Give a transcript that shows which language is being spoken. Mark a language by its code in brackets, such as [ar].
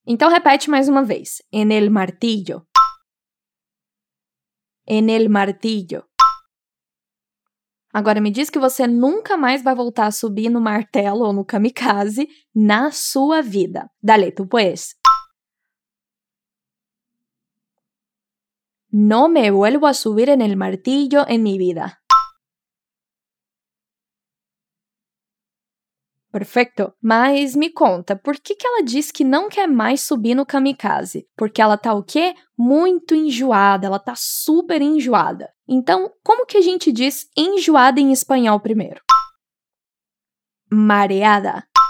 [pt] Então, repete mais uma vez. [es] En el martillo. En el martillo. [pt] Agora, me diz que você nunca mais vai voltar a subir no martelo ou no kamikaze na sua vida. [es] Dale, tú puedes. No me vuelvo a subir en el martillo en mi vida. Perfecto. [pt] Mas me conta, por que que ela diz que não quer mais subir no kamikaze? Porque ela tá o quê? Muito enjoada. Ela tá super enjoada. Então, como que a gente diz enjoada em espanhol primeiro? Mareada.